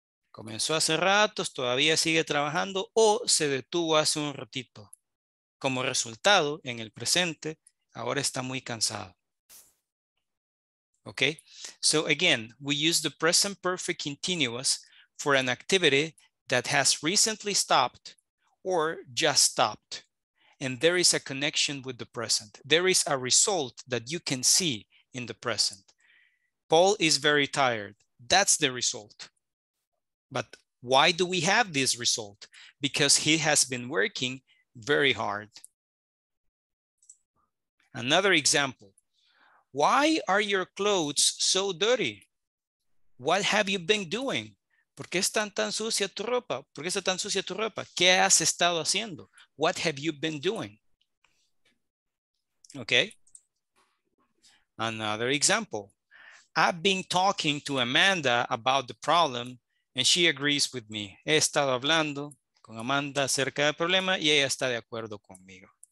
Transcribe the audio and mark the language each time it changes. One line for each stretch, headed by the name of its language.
Spanish: Comenzó hace ratos, todavía sigue trabajando o se detuvo hace un ratito. Como resultado, en el presente, ahora está muy cansado.
English: Okay? So again, we use the present perfect continuous for an activity that has recently stopped or just stopped. And there is a connection with the present. There is a result that you can see in the present. Paul is very tired. That's the result. But why do we have this result? Because he has been working very hard. Another example. Why are your clothes so dirty? What have you been doing?
Spanish: ¿Por qué están tan sucia tu ropa? ¿Por qué está tan sucia tu ropa? ¿Qué has estado haciendo?
English: What have you been doing? Okay.
Spanish: Another example.
English: I've been talking to Amanda about the problem and she agrees with me.
Spanish: He estado hablando con Amanda acerca del problema y ella está de acuerdo conmigo.